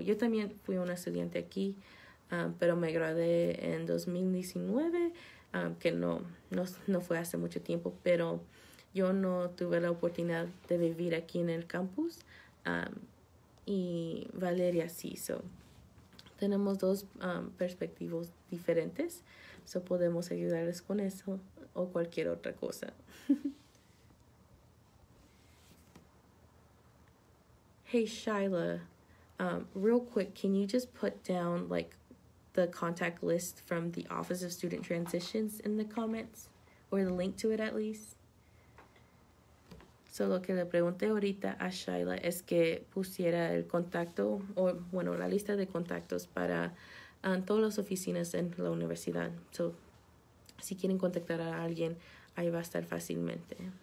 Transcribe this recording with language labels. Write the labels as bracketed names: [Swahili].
[Spanish] Yo también fui una estudiante aquí, pero me gradué en 2019, que no fue hace mucho tiempo, pero yo no tuve la oportunidad de vivir aquí en el campus. Y Valeria sí, so tenemos dos perspectivas diferentes, so podemos ayudarles con eso o cualquier otra cosa. [English] Hey Shyla, real quick, can you just put down like the contact list from the Office of Student Transitions in the comments or the link to it at least? [Spanish] So, lo que le pregunté ahorita a Shyla es que pusiera el contacto, o bueno, la lista de contactos para todas las oficinas en la universidad. So, si quieren contactar a alguien, ahí va a estar fácilmente.